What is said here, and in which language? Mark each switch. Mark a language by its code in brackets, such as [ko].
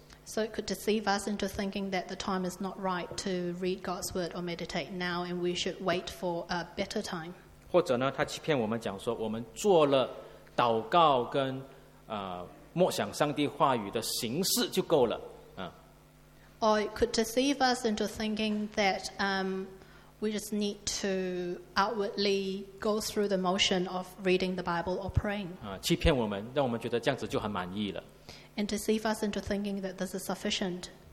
[en] So it could deceive us into thinking that the time is not right to read God's word or meditate now, and we should wait for a better time. [zh] 或者呢，他欺骗我们讲说，我们做了祷告跟 默想上帝话语的形式就够了。 [en] Or it could deceive us into thinking that we just need to outwardly go through the motion of reading the Bible or praying. [zh] 欺骗我们，让我们觉得这样子就很满意了。 [en] And deceive us into thinking that this is sufficient.